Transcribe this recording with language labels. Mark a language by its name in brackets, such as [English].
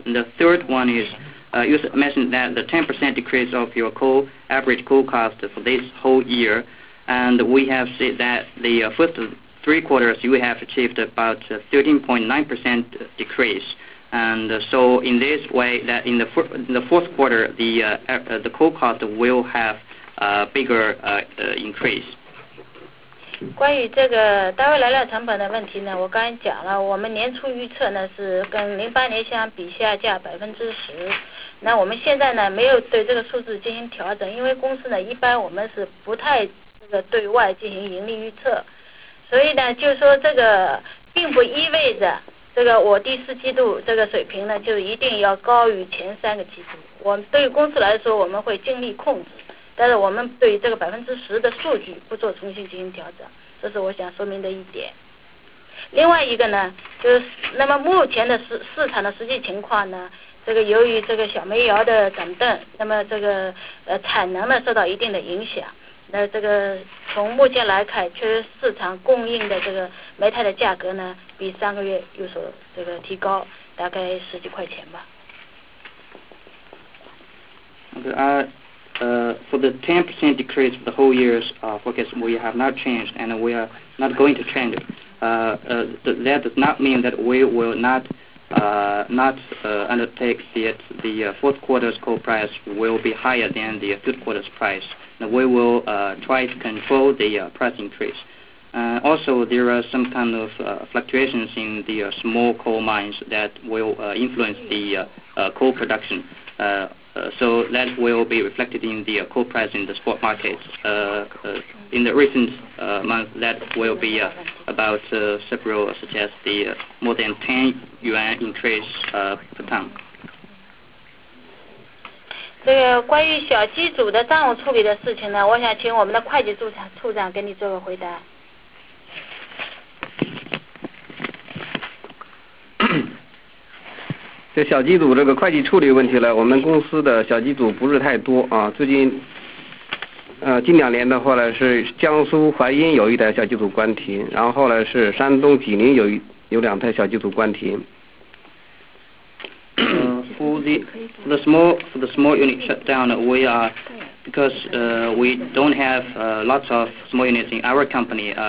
[English] And the third one is, you mentioned that the 10% decrease of your coal average coal cost for this whole year, and we have said that the first three quarters you have achieved about 13.9% decrease, and so in this way that in the fourth quarter the coal cost will have a bigger increase. [Chinese] 关于这个单位燃料成本的问题呢，我刚才讲了，我们年初预测呢是跟08年相比下降10%。那我们现在呢没有对这个数字进行调整，因为公司呢一般我们是不太这个对外进行盈利预测。所以呢，就是说这个并不意味着这个我第四季度这个水平呢就一定要高于前三个季度。我们对于公司来说，我们会尽力控制，但是我们对于这个10%的数据不做重新进行调整，这是我想说明的一点。另外一个呢，就是那么目前的市场的实际情况呢，这个由于这个小煤窑的整顿，那么这个产能呢受到一定的影响。那这个从目前来看，确实市场供应的这个煤炭的价格呢，比上个月有所这个提高，大概十几块钱吧。 [English] Okay, for the 10% decrease for the whole year's forecast, we have not changed, and we are not going to change. That does not mean that we will not undertake that the fourth quarter's coal price will be higher than the third quarter's price. And we will try to control the price increase. Also, there are some kind of fluctuations in the small coal mines that will influence the coal production. So that will be reflected in the coal price in the spot market. In the recent month, that will be about several suggest the more than 10 yuan increase per ton. [Chinese] 这个关于小机组的账务处理的事情呢，我想请我们的会计处长给你做个回答。这小机组这个会计处理问题呢，我们公司的小机组不是太多啊。最近，近两年的话呢，是江苏淮阴有一台小机组关停，然后后来是山东济宁有两台小机组关停。 [English] For the small unit shutdown, we are because we don't have lots of small units in our company.